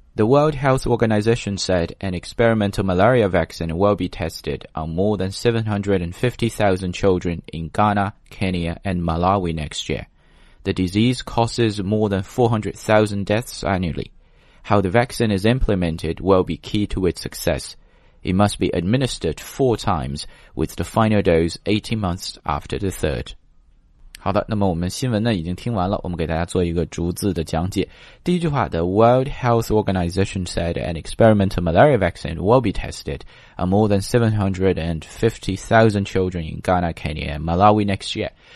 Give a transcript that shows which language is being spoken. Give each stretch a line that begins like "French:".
English: The World Health Organization said an experimental malaria vaccine will be tested on more than 750,000 children in Ghana, Kenya, and Malawi next year. The disease causes more than 400,000 deaths annually. How the vaccine is implemented will be key to its success. It must be administered 4 times, with the final dose 18 months after the third.
Chinese: 好的，那么我们新闻呢已经听完了，我们给大家做一个逐字的讲解。第一句话，
English: The World Health Organization said an experimental malaria vaccine will be tested on more than 750,000 children in Ghana, Kenya, and Malawi next year.